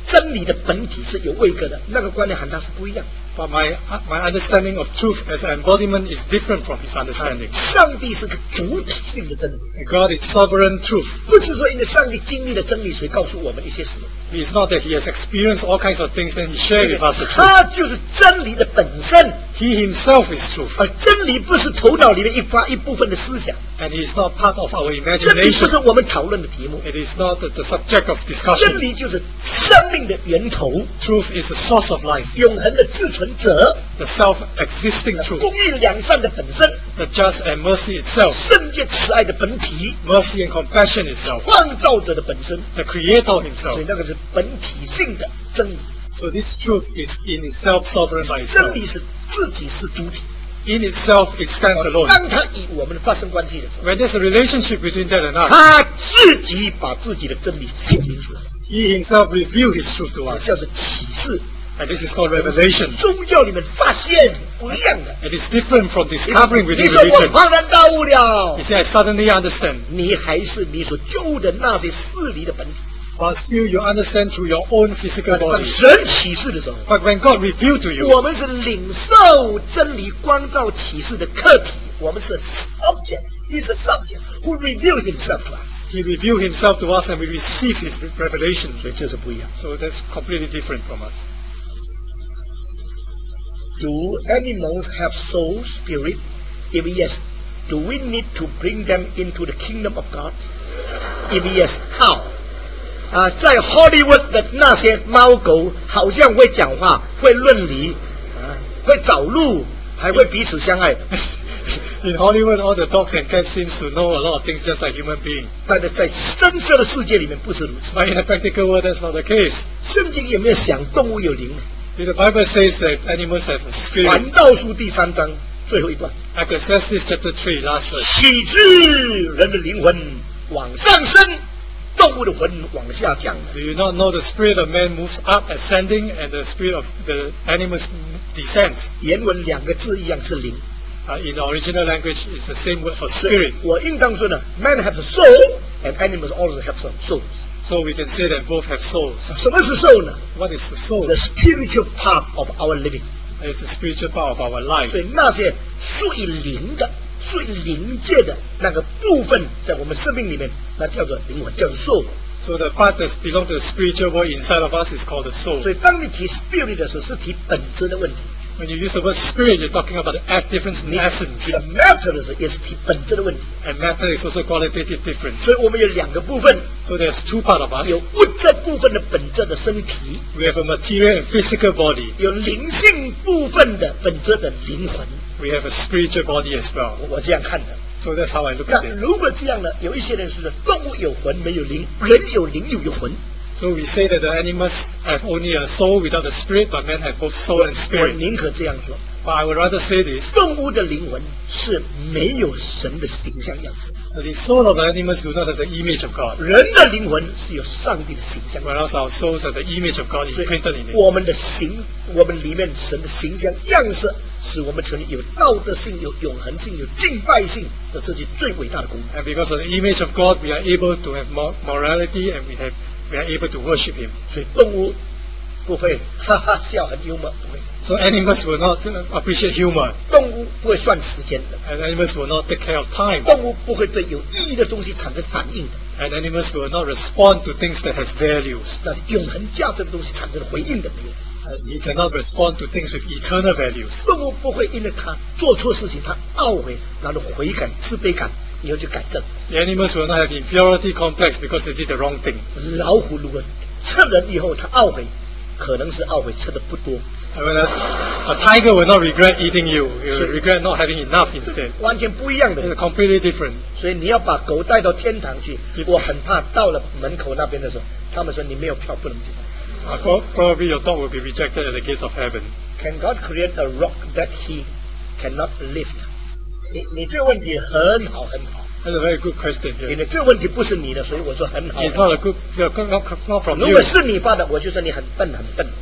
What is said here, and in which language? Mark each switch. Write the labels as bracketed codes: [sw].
[zh] 我所讲的真理本体，真理的本体是有位格的，那个观念和他是不一样。 [en] But my understanding of truth as embodiment is different from his understanding. [zh] 上帝是个主体性的真理。 [en] God is sovereign truth. [zh] 不是说因为上帝经历了真理，所以告诉我们一些什么。 [en] It's not that he has experienced all kinds of things and he shared with us the truth. [zh] 他就是真理的本身。 [en] He himself is truth. [zh] 而真理不是头脑里面一部分的思想。 [en] And he is not part of our imagination. [zh] 真理不是我们讨论的题目。 [en] It is not the subject of discussion. [zh] 真理就是生命的源头。 [en] Truth is the source of life. [zh] 永恒的自存者。 [en] The self-existing truth. [zh] 公义良善的本身。 [en] The just and mercy itself. [zh] 圣洁慈爱的本体。 [en] Mercy and compassion itself. [zh] 创造者的本身。 [en] The creator himself. [zh] 所以那个是本体性的真理。 [en] So this truth is in itself sovereign by itself. [zh] 真理是自己是主体。 [en] In itself it stands alone. [zh] 当他与我们发生关系的时候, [en] when there's a relationship between that and us, [zh] 他自己把自己的真理显明出来。 [en] He himself revealed his truth to us. [zh] 叫做启示。 [en] And this is called revelation. [zh] 宗教里面发现, [en] it is different from discovering within religion. [zh] 你说我恍然大悟了。 [en] He said, I suddenly understand. [zh] 你还是你所救的那些势力的本体。 [en] But still you understand through your own physical body. [zh] 神启示的时候, [en] but when God revealed to you, [zh] 我们是领受真理光照启示的客体, 我们是 object, [en] he's a subject who revealed himself to us. He revealed himself to us and we receive his revelation. [zh] 所以这是不一样。 [en] So that's completely different from us. Do animals have soul, spirit? If yes, do we need to bring them into the kingdom of God? If yes, how? [zh] 在 Hollywood 的那些猫狗好像会讲话，会论理，会找路，还会彼此相爱。 [en] In Hollywood, all the dogs and cats seem to know a lot of things just like human beings. [zh] 但是在真实的世界里面不是如此。 [en] But in the practical world, that's not the case. [zh] 圣经有没有想动物有灵？ [en] The Bible says that animals have a spirit. [zh] 传道书第三章最后一段。 [en] Ecclesiastes chapter 3, last verse. [zh] 岂知人的灵魂往上升？动物的魂往下降。 [en] Do you not know the spirit of man moves up ascending and the spirit of the animals descends? [zh] 原文两个字一样是灵。 [en] In the original language it's the same word for spirit. [zh] 我应当说呢, [en] man has a soul and animals also have some souls. So we can say that both have souls. [zh] 什么是soul呢? [en] What is the soul? The spiritual part of our living. It's the spiritual part of our life. [zh] 所以那些属于灵的, 属于灵界的那个部分在我们生命里面, 那叫做灵魂, 叫做 soul。 [en] So the part that belongs to the spiritual world inside of us is called the soul. [zh] 所以当你提 spirit 的时候，是提本质的问题。 [en] When you use the word spirit, you're talking about the difference in essence. The matter is [zh] 提本质的问题。 [en] And matter is also qualitative difference. [zh] 所以我们有两个部分。 [en] So there's two part of us. [zh] 有物质部分的本质的身体。 [en] We have a material and physical body. [zh] 有灵性部分的本质的灵魂。 [en] We have a spiritual body as well. [zh] 我这样看的。 [en] So that's how I look at it. [zh] 那如果这样呢？有一些人是动物有魂没有灵，人有灵又有魂。 [en] So we say that the animals have only a soul without a spirit, but men have both soul and spirit. [zh] 我宁可这样说。 [en] But I would rather say this. [zh] 动物的灵魂是没有神的形象样子。 [en] The soul of the animals do not have the image of God. [zh] 人的灵魂是有上帝的形象。 [en] Whereas our souls have the image of God imprinted in it. [zh] 我们的形，我们里面神的形象样式。使我们成为有道德性、有永恒性、有敬拜性的这些最伟大的功能。 [en] And because of the image of God, we are able to have morality, and we are able to worship Him. [zh] 所以动物不会哈哈笑很幽默。 [en] So animals will not appreciate humor. [zh] 动物不会算时间的。 [en] And animals will not take care of time. [zh] 动物不会对有意义的东西产生反应的。 [en] And animals will not respond to things that has values. [zh] 那是永恒价值的东西产生回应的没有。 [en] He cannot respond to things with eternal values. [zh] 动物不会因为他做错事情，他懊悔，然后悔改、自卑感，以后就改正。 [en] The animals will not have inferiority complex because they did the wrong thing. [zh] 老虎如果吃人以后，他懊悔，可能是懊悔吃的不多。 [en] A tiger will not regret eating you. You will regret not having enough instead. [zh] 完全不一样的。 [en] It's completely different. [zh] 所以你要把狗带到天堂去。我很怕到了门口那边的时候，他们说你没有票，不能进。 [en] Probably your dog will be rejected at the gates of heaven. Can God create a rock that he cannot lift? [zh] 你这问题很好很好。 [en] That's a very good question. [zh] 你这问题不是你的，所以我说很好。 [en] It's not a good, not from you. [zh] 如果是你发的，我就说你很笨很笨。